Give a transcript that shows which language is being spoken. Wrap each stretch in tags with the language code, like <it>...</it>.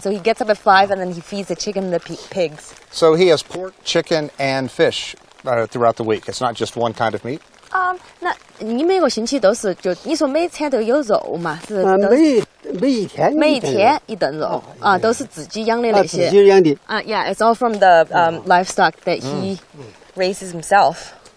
<en>So he gets up at 5 and then he feeds the chicken and the pigs. So he has pork, chicken, and fish throughout the week. It's not just one kind of meat?</en> <zh>那你每个星期都是，就你说每天都有肉嘛？是每一天一顿肉，都是自己养的那些。自己养的。</zh> <en>It's all from the livestock that he raises himself.</en>